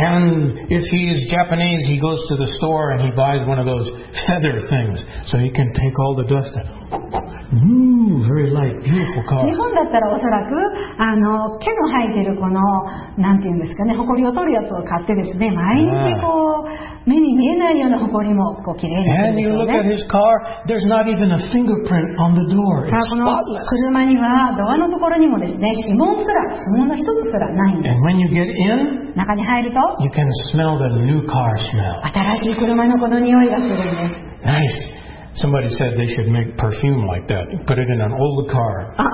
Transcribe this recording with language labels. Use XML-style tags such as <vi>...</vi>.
<en>And if he's Japanese, he goes to the store and he buys one of those feather things so he can take all the dust out. Very light, beautiful car.</en> <ja>日本だったらおそらくあの毛の生えてるこのなんていうんですかね、埃を取るやつを買ってですね、毎日こう、目に見えないような埃もこう綺麗にするんですよね。</ja> <en>And you look at his car, there's not even a fingerprint on the door. It's spotless.</en> <ja>この車にはドアのところにもですね、指紋の一つすらないんです。</ja> <en>And when you get in,</en> <ja>中に入ると、</ja> <en>you can smell the new car smell.</en> <ja>新しい車のこの匂いがするんです。</ja> <en>Nice. Somebody said they should make perfume like that. Put it in an old car.</en>